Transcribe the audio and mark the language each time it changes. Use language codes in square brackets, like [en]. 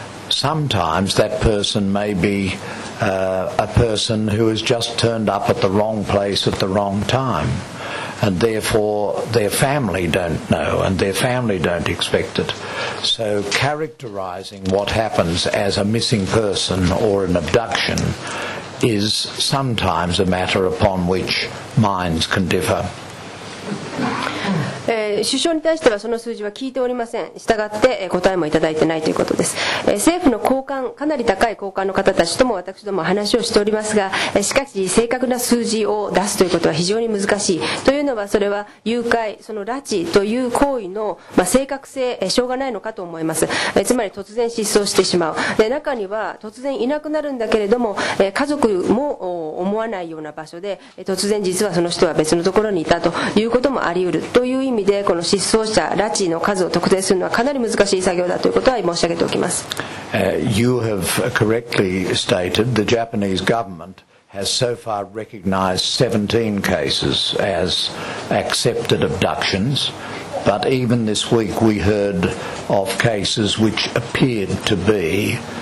[en] Sometimes that person may be... a person who has just turned up at the wrong place at the wrong time, and therefore their family don't know, and their family don't expect it. So characterizing what happens as a missing person or an abduction is sometimes a matter upon which minds can differ. [ja] 首相に対してはその数字は聞いておりません。したがって、答えもいただいてないということです。政府の高官かなり高い高官の方たちとも私ども話をしておりますが、しかし正確な数字を出すということは非常に難しいというのはそれは誘拐その拉致という行為の、正確性、しょうがないのかと思います。つまり突然失踪してしまうで中には突然いなくなるんだけれども、家族も思わないような場所で突然実はその人は別のところにいたということもあり得るという意味でこの失踪者拉致の数を特定するのはかなり難しい作業だということは申し上げておきます。 [en] You have correctly stated the Japanese government has so far recognized 17 cases as accepted abductions, but even this week we heard of cases which appeared to be